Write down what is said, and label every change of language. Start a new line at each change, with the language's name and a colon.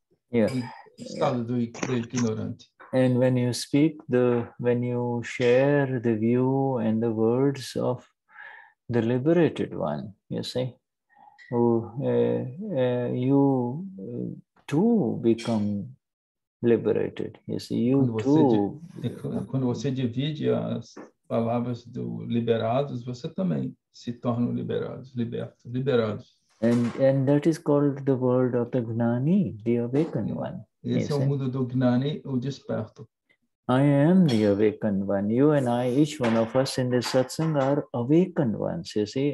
English: And when you speak when you share the view and the words of the liberated one, you see, you too become liberated. You see, you too.
Portuguese: Quando você divide as palavras do liberados, você também se torna liberado.
English: And that is called the world of the Gnani, the awakened one.
Portuguese: Esse é o mundo do Gnani, o desperto.
English: I am the awakened one. You and I, each one of us in this satsang are awakened ones, you see.